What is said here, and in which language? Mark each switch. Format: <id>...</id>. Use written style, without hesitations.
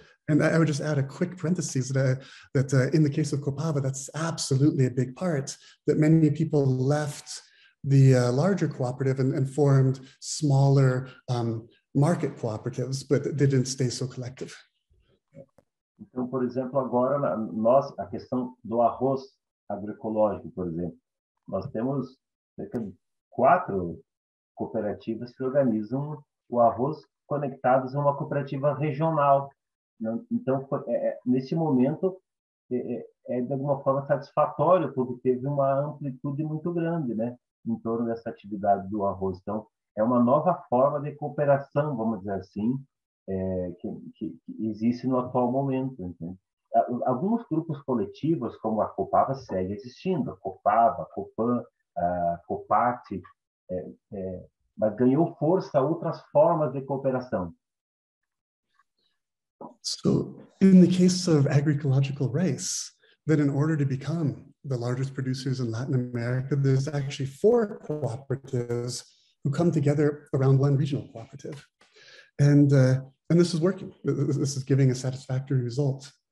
<en>And I would just add a quick parenthesis that in the case of Copava, that's absolutely a big part, that many people left the larger cooperative and formed smaller market cooperatives, but they didn't stay so collective.</en> <pt>Então, por exemplo, agora nós, a questão do arroz agroecológico, por exemplo, nós temos cerca de 4 cooperativas que organizam o arroz conectadas a uma cooperativa regional. Então, nesse momento, de alguma forma satisfatório, porque teve uma amplitude muito grande, né, em torno dessa atividade do arroz. Então, é uma nova forma de cooperação, vamos dizer assim, que existe no atual momento. Entende? Alguns grupos coletivos, como a Copava, segue existindo, a Copava, a Copan, a Copate, mas ganhou força a outras formas de cooperação.</pt> <en>So, in the case of agroecological rice, then in order to become the largest producers in Latin America, there's actually 4 cooperatives who come together around one regional cooperative. And this is working. This is giving a satisfactory result.</en>